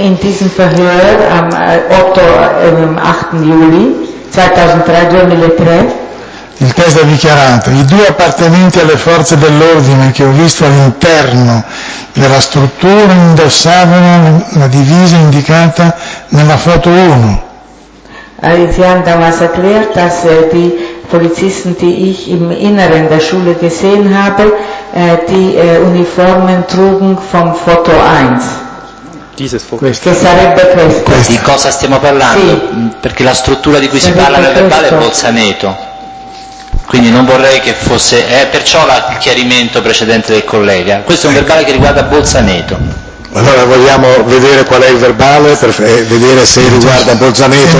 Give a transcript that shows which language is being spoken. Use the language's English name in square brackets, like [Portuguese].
[German] In diesem Verhör am 8. Juli 2003. [Italian] Il test ha dichiarato, i due appartenenti alle forze dell'ordine che ho visto all'interno della struttura indossavano la divisa indicata nella foto 1. [German] Sie haben damals erklärt, dass die Polizisten, die ich im Inneren der Schule gesehen habe, die Uniformen trugen vom Foto 1. Dieses Foto. [Italian] Questo. Che sarebbe questo. Di cosa stiamo parlando? Sì. Perché la struttura di cui si parla nel verbale è Bolzaneto. Quindi non vorrei che fosse... perciò il chiarimento precedente del collega. Questo è un verbale che riguarda Bolzaneto. Allora vogliamo vedere qual è il verbale per vedere se riguarda Bolzaneto.